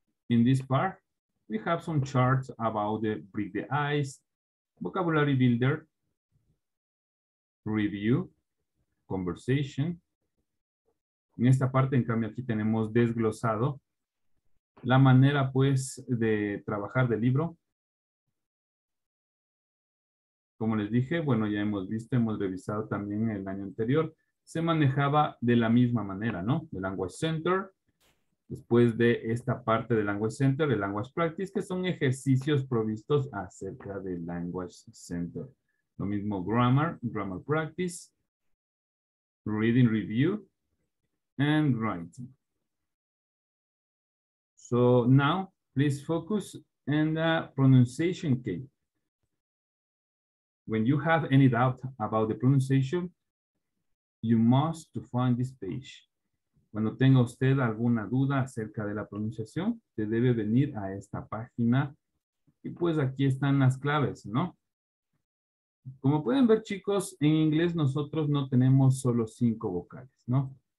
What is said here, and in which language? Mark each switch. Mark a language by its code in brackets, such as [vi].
[en] In this part, we have some charts about the break the ice, vocabulary builder, review, conversation. [es] En esta parte, en cambio, aquí tenemos desglosado la manera pues de trabajar del libro. Como les dije, bueno, ya hemos visto, hemos revisado también el año anterior. Se manejaba de la misma manera, ¿no? El Language Center, después de esta parte del Language Center, el Language Practice, que son ejercicios provistos acerca del Language Center. Lo mismo Grammar, Grammar Practice, Reading Review, and Writing. [en] So now, please focus on the pronunciation key. When you have any doubt about the pronunciation, you must to find this page. [es] Cuando tenga usted alguna duda acerca de la pronunciación, se debe venir a esta página. Y pues aquí están las claves, ¿no? Como pueden ver, chicos, en inglés nosotros no tenemos solo 5 vocales, ¿no?